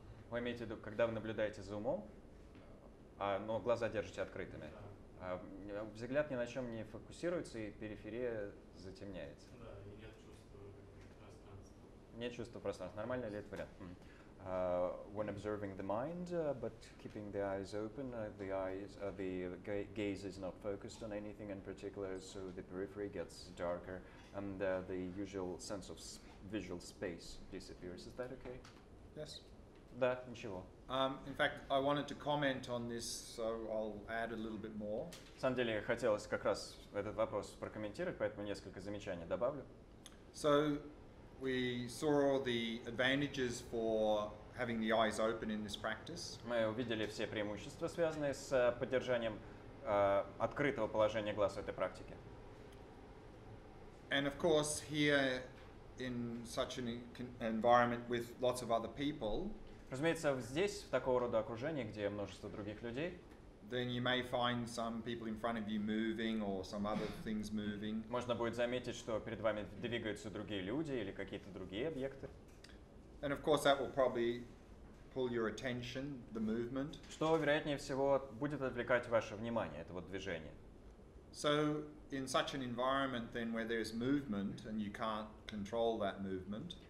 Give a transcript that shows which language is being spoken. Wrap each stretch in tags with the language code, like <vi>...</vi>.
<ru>Вы имеете в виду, когда вы наблюдаете за умом, но глаза держите открытыми, взгляд ни на чем не фокусируется, и периферия затемняется. Да, и нет чувства пространства. Нет чувства пространства. Нормально ли это вариант?</ru> <en>When observing the mind, but keeping the eyes open, the gaze is not focused on anything in particular, so the periphery gets darker, and the usual sense of visual space disappears. Is that okay? Yes.</en> <ru>Да, ничего.</ru> <en>In fact, I wanted to comment on this, so I'll add a little bit more.</en> <ru>На самом деле, хотелось как раз этот вопрос прокомментировать, поэтому несколько замечаний добавлю.</ru> <en>So we saw the advantages for having the eyes open in this practice.</en> <ru>Мы увидели все преимущества, связанные с поддержанием открытого положения глаз в этой практике.</ru> <en>And of course, here in such an environment with lots of other people,</en> <ru>разумеется, здесь, в такого рода окружении, где множество других людей,</ru> <en>then you may find some people in front of you moving or some other things moving.</en> <ru>Можно будет заметить, что перед вами двигаются другие люди или какие-то другие объекты.</ru> <en>And of course that will probably pull your attention, the movement.</en> <ru>Что, вероятнее всего, будет отвлекать ваше внимание, это вот движение.</ru> <en>So in such an environment then where there is movement and you can't control that movement,</en>